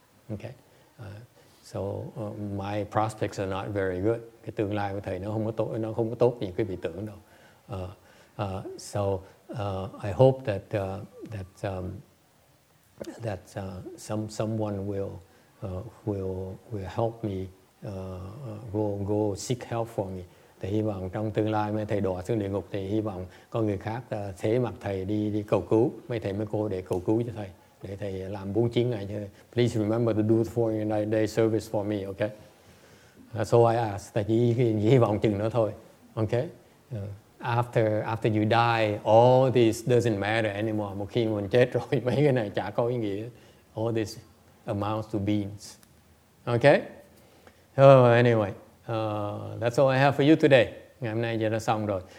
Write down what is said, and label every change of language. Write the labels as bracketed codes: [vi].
[en] Okay, so my prospects are not very good. [vi] Cái tương lai của thầy nó không có tốt như quý vị tưởng đâu. [en] I hope that someone will help me go seek help for me. [vi] Thầy hy vọng trong tương lai mấy thầy đọa xuống địa ngục thì hy vọng có người khác thế mặt thầy đi cầu cứu mấy thầy mấy cô để cầu cứu cho thầy để thầy làm 49 ngày cho thầy. [en] Please remember to do the 49 day service for me, okay? So I ask, [vi] thầy chỉ hy vọng chừng đó thôi, okay? [en] After you die, all this doesn't matter anymore. [vi] Một khi mình chết rồi mấy cái này chả có ý nghĩa. [en] All this amounts to beans, okay? Anyway. That's all I have for you today. [vi] Ngày hôm nay giờ đã xong rồi.